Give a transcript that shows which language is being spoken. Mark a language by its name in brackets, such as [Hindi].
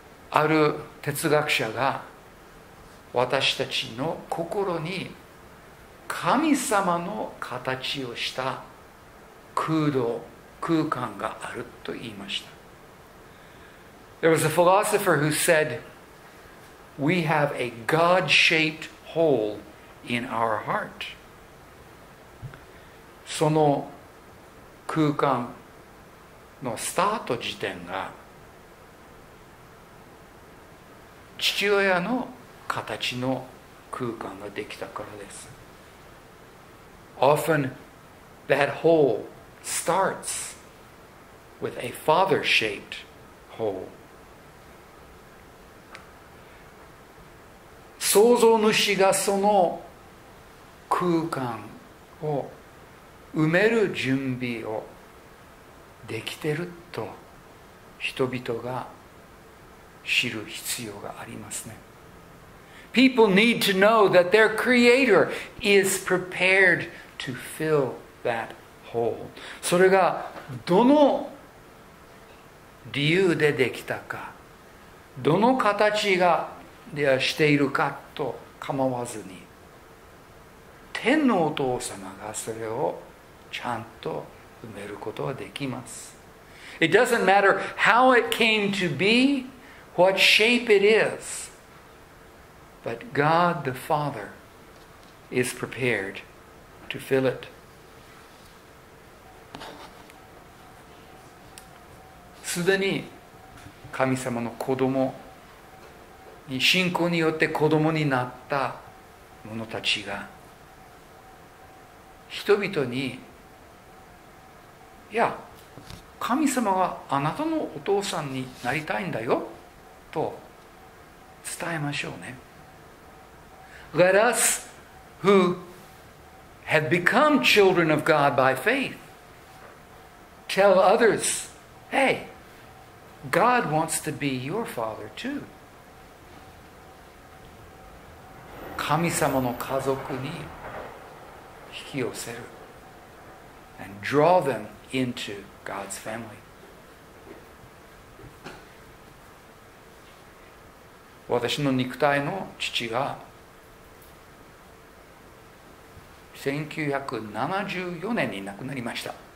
[Japanese] ある哲学者が私たちの心に神様の形をした空洞、空間があると言いました。 [English] There was a philosopher who said, We have a God-shaped hole in our heart. [Japanese] その空間のスタート時点が父親の形の空間ができたからです。 [English] Often that hole starts with a father-shaped hole. [Japanese] 創造主がその空間を埋める準備をできてると人々が知る必要がありますね。 [English] People need to know that their creator is prepared to fill that hole. [Japanese] それがどの理由でできたか、どの形がではしているかと構わずに、天のお父様がそれをちゃんと埋めることができます。 [English] It doesn't matter how it came to be, what shape it is, but God the Father is prepared to fill it. [Japanese] 既に神様の子供信仰によって子供になった者たちが人々に、いや神様はあなたのお父さんになりたいんだよと伝えましょうね。 [English] Let us who have become children of God by faith tell others, Hey, God wants to be your father too. [Japanese] 神様の家族に引き寄せる [English] and draw them into God's family. [Japanese] 私の肉体の父が1974年に亡くなりました。